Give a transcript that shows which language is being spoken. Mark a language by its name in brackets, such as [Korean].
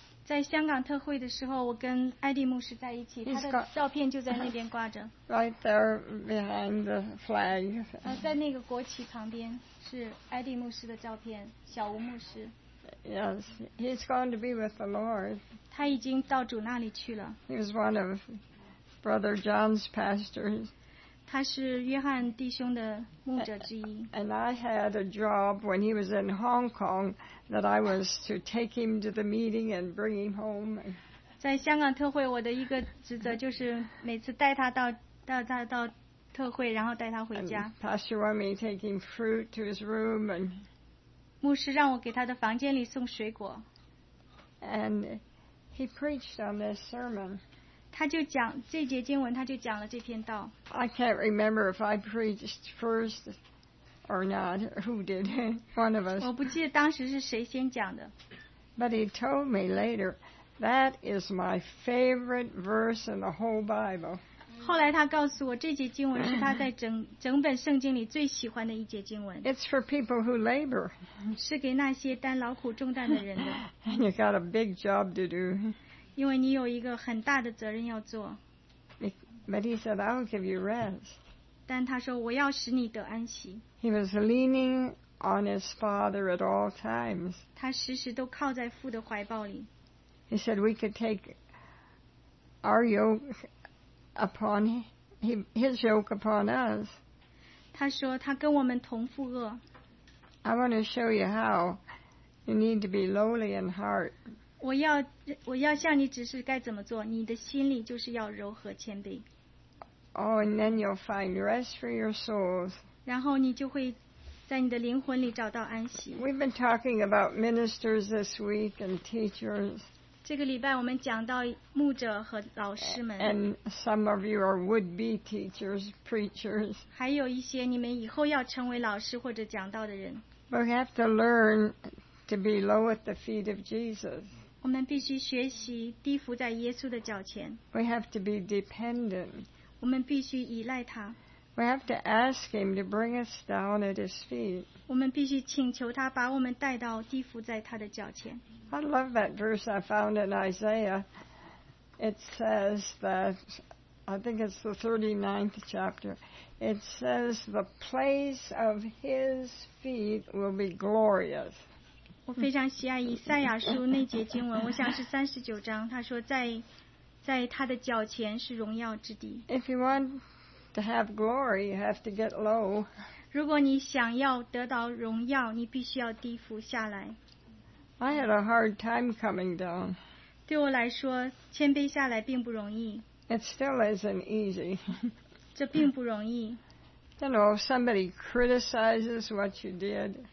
[Chinese] 在香港特会的时候，我跟艾迪牧师在一起，他的照片就在那边挂着。 [English] Right there behind the flag. [Chinese] 在那个国旗旁边是艾迪牧师的照片，小吴牧师。 [English] Yes, he's going to be with the Lord. [Chinese] 他已经到主那里去了。 [English] He was one of Brother John's pastors. [Chinese] 他是约翰弟兄的牧者之一。 [English] And I had a job when he was in Hong Kong. That I was to take him to the meeting and bring him home. [Chinese] 在香港特会，我的一个职责就是每次带他到特会，然后带他回家。 [English] Pastor wanted me to take him fruit to his room and. [Chinese] 牧师让我给他的房间里送水果。 [English] And he preached on this sermon. [Chinese] 他就讲这节经文，他就讲了这篇道。 [English] I can't remember if I preached first. Or not? Who did? One of us. [Chinese] 我不记得当时是谁先讲的。 [English] But he told me later, that is my favorite verse in the whole Bible. [Chinese] 后来他告诉我，这节经文是他在整本圣经里最喜欢的一节经文。 [English] It's for people who labor. [Chinese] 是给那些担劳苦重担的人的。 [English] And you got a big job to do. [Chinese] 因为你有一个很大的责任要做。 [English] But he said, I'll give you rest. [Chinese] 但他说我要使你得安息。 [English] He was leaning on his father at all times. [Chinese] 他时时都靠在父的怀抱里。 [English] He said we could take our yoke upon his yoke upon us. [Chinese] 他说他跟我们同负轭。 [English] I want to show you how you need to be lowly in heart. [Chinese] 我要向你指示该怎么做，你的心里就是要柔和谦卑。 [English] Oh, and then you'll find rest for your souls. [Chinese] 然后你就会在你的灵魂里找到安息。 [English] We've been talking about ministers this week and teachers. [Chinese] 这个礼拜我们讲到牧者和老师们。 [English] And some of you are would-be teachers, preachers. [Chinese] 还有一些你们以后要成为老师或者讲道的人。 [English] But we have to learn to be low at the feet of Jesus. [Chinese] 我们必须学习低伏在耶稣的脚前。 [English] We have to be dependent. [Chinese] 我们必须依赖他。 [English] We have to ask him to bring us down at his feet. [Chinese] 我们必须请求他把我们带到低伏在他的脚前。 [English] I love that verse I found in Isaiah. It says that, I think it's the 39th chapter. It says the place of his feet will be glorious. [Chinese] 我非常喜爱以赛亚书那节经文，我想是39章，他说在他的脚前是荣耀之地。 [English] If you want to have glory, you have to get low. [Chinese] 如果你想要得到荣耀，你必须要低伏下来。 [English] I had a hard time coming down. [Chinese] 对我来说，谦卑下来并不容易。 [English] It still isn't easy. [Chinese] 这并不容易。 [English] You know, somebody criticizes what you did.